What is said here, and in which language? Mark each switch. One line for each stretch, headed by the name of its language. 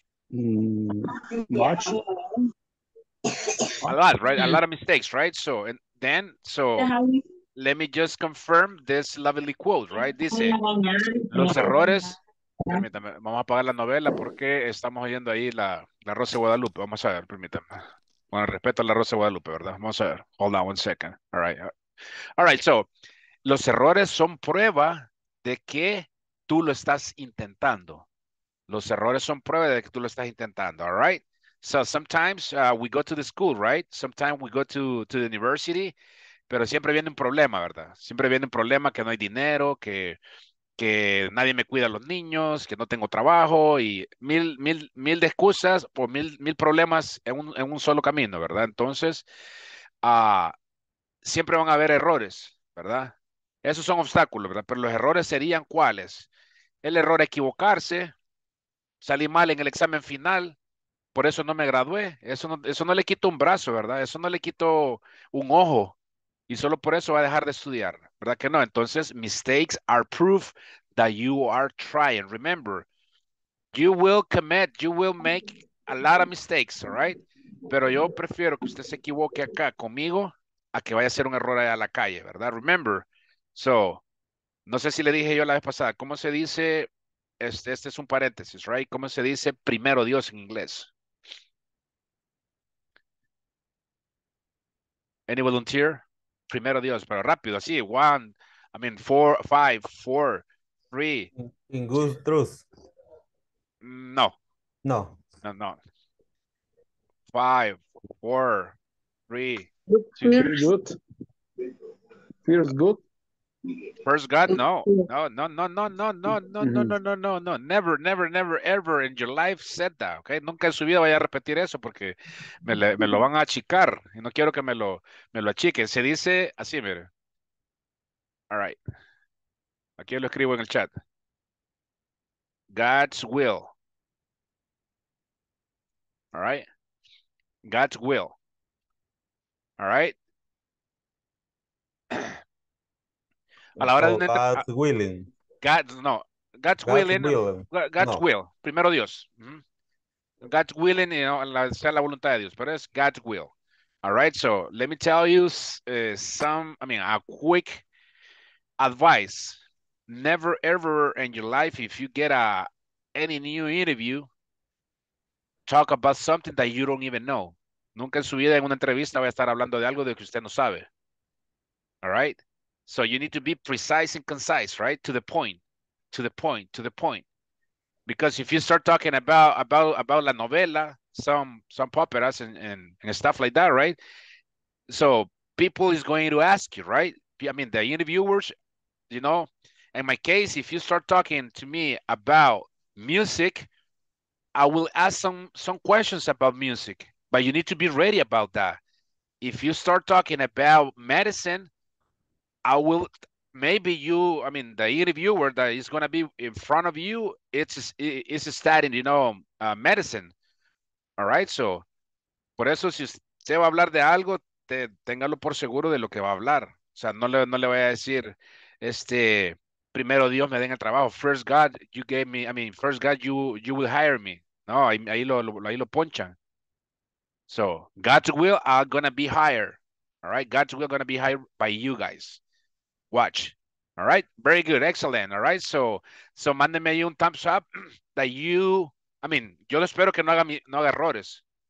English: Much. A lot, right? A lot of mistakes, right? So, and then, so let me just confirm this lovely quote, right?
Spanish: Dice, los errores. Permítame, vamos a apagar la novela porque estamos oyendo ahí la Rosa de Guadalupe. Vamos a ver, permítame. Bueno, respeto a la Rosa de Guadalupe, ¿verdad? Vamos a ver.
English: Hold on one second. All right.
Spanish: So, los errores son prueba de que tú lo estás intentando. Los errores son prueba de que tú lo estás intentando.
English: All right. So, sometimes we go to the school, right? Sometimes we go to the university.
Spanish: Pero siempre viene un problema, ¿verdad? Siempre viene un problema que no hay dinero, que nadie me cuida a los niños, que no tengo trabajo y mil de excusas o mil problemas en un solo camino, ¿verdad? Entonces, siempre van a haber errores, ¿verdad? Esos son obstáculos, ¿verdad? Pero los errores serían ¿cuáles? El error equivocarse, salir mal en el examen final, por eso no me gradué, eso no le quito un brazo, ¿verdad? Eso no le quito un ojo y solo por eso va a dejar de estudiar. ¿Verdad que no?
English: Entonces, mistakes are proof that you are trying. Remember, you will make a lot of mistakes, all right?
Spanish: Pero yo prefiero que usted se equivoque acá conmigo a que vaya a hacer un error allá a la calle, ¿verdad? Remember, so, no sé si le dije yo la vez pasada, ¿cómo se dice? Este es un paréntesis, right? ¿Cómo se dice primero Dios en inglés?
English: Any volunteer?
Spanish: Primero Dios, pero rápido, así,
English: four, three. In good truth. No. No. No, no. 5, 4, 3, 2. First good. First God, no. No. Never, ever in your life said that, okay?
Spanish: Nunca en su vida vaya a repetir eso porque me lo van a achicar. Y no quiero que me lo achiquen. Se dice así, mire.
English: All right.
Spanish: Aquí lo escribo en el chat. God's will.
English: All right. God's will. All right.
Spanish: A la hora no, de
English: God's willing. God's will.
Spanish: Primero Dios. Mm-hmm.
English: God's willing, you know,
Spanish: sea la voluntad de Dios, pero es
English: God's will. All right, so let me tell you a quick advice. Never ever in your life, if you get any new interview, talk about something that you don't even know.
Spanish: Nunca en su vida en una entrevista voy a estar hablando de algo de que usted no sabe.
English: All right? So you need to be precise and concise, right? To the point. Because if you start talking about la novela, some operas and stuff like that, right? So people is going to ask you, right? I mean, the interviewers, you know, in my case, if you start talking to me about music, I will ask some questions about music, but you need to be ready about that. If you start talking about medicine, the interviewer that is going to be in front of you, it's studying, you know, medicine. All right.
Spanish: So, por eso, si usted va a hablar de algo, téngalo por seguro de lo que va a hablar. O sea, no le voy a decir, primero Dios me den el trabajo.
English: First God, you gave me, first God, you will hire me.
Spanish: No, ahí lo ponchan.
English: So, God's will are going to be hired. All right. God's will going to be hired by you guys. Watch. All right. Very good. Excellent. All right. So
Spanish: mándeme ahí un
English: thumbs up that you,
Spanish: yo espero que no haga errores.